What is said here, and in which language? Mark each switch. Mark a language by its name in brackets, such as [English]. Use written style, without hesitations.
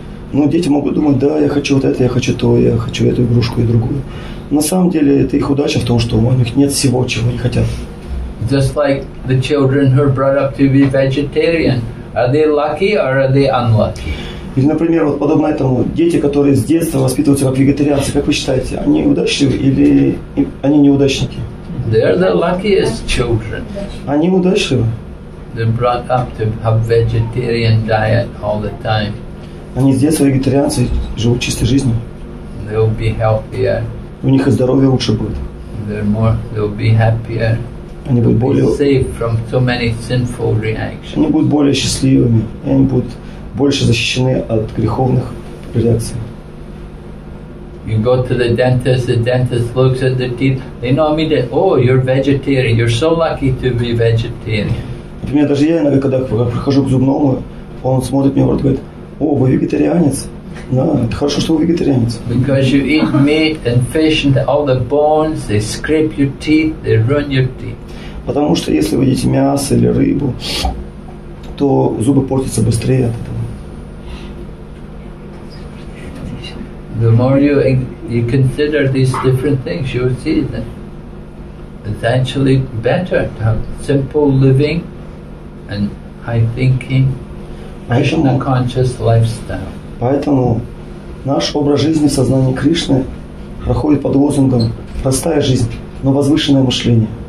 [Russian] Ну, дети могут думать, да, я хочу вот это, я хочу то, я хочу эту игрушку и другую. На самом деле, это их удача в том, что у них нет всего, чего они хотят. [English] Just like the children who are brought up to be vegetarian, are they lucky or are they unlucky? [Russian] Или, например, вот подобно этому, дети, которые с детства воспитываются как вегетарианцы, как вы считаете, они удачливы или они неудачники? [English] They're the luckiest children. [Russian] Они удачливы. [English] They're brought up to have vegetarian diet all the time. [Russian] Они с детства вегетарианцы, живут чистой жизнью. [English] They'll be healthier. [Russian] У них и здоровье лучше будет. [English] They'll be happier. [Russian] Они будут более [English] safe from so many sinful reactions. [Russian] Они будут более счастливыми, и они будут больше защищены от греховных реакций. [English] You go to the dentist looks at the teeth, they know immediately, oh, you're vegetarian, you're so lucky to be vegetarian. [Russian] Например, даже я иногда, когда прихожу к зубному, он смотрит мне в рот и говорит, о, вы вегетарианец? Да, это хорошо, что вы вегетарианец. [English] Because you eat meat and fish and all the bones, they scrape your teeth, they ruin your teeth. [Russian] Потому что если вы едите мясо или рыбу, то зубы портятся быстрее от этого. [English] The more you consider these different things, you'll see that it's actually better to have simple living and high thinking, Krishna conscious lifestyle. [Russian] Поэтому наш образ жизни в сознании Кришны проходит под лозунгом «простая жизнь, но возвышенное мышление».